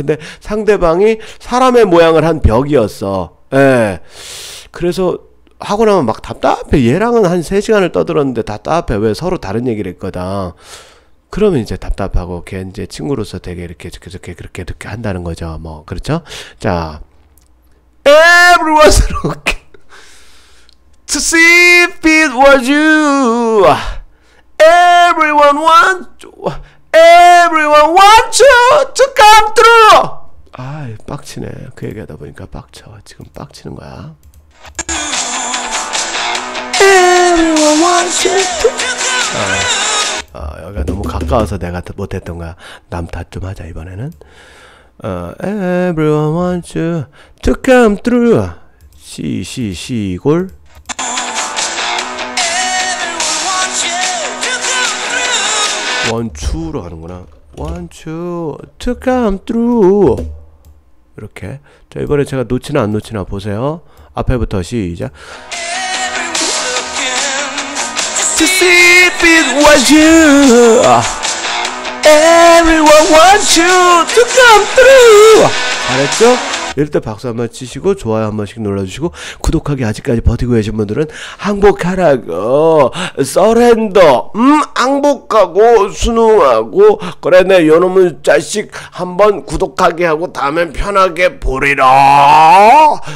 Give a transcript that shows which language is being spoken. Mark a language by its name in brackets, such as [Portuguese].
[Korean] 근데 상대방이 사람의 모양을 한 벽이었어. 예. 그래서 하고 나면 막 답답해. 얘랑은 한 3시간을 떠들었는데 답답해. 왜? 서로 다른 얘기를 했거든. 그러면 이제 답답하고 걔 이제 친구로서 되게 이렇게 계속 그렇게 이렇게 한다는 거죠. 뭐 그렇죠? [English] 자, Everyone's looking to see if it was you. Everyone wants to, everyone wants you to come through. [Korean] 아이, 빡치네. 그 얘기하다 보니까 빡쳐. 지금 빡치는 거야. [English] Everyone wants you to come through. [Korean] 여기가 너무 가까워서 내가 못했던 거야. 남 탓 좀 하자 이번에는. [English] Everyone wants you to come through. [Korean] 시골. [English] Everyone wants you to come through. [Korean] 원추로 하는구나. [English] Want you to come through. [Korean] 이렇게. 자, 이번에 제가 놓치나 안 놓치나 보세요. 앞에부터 시작. [English] Everyone looking to see if it was you. Everyone wants you to come through. [Korean] 잘했죠? 이럴 때 박수 한번 치시고 좋아요 한 번씩 눌러주시고 구독하기 아직까지 버티고 계신 분들은 항복하라고, 서렌더. 항복하고 순응하고 그래 내 요놈은 자식 한번 구독하기 하고 다음엔 편하게 보리라.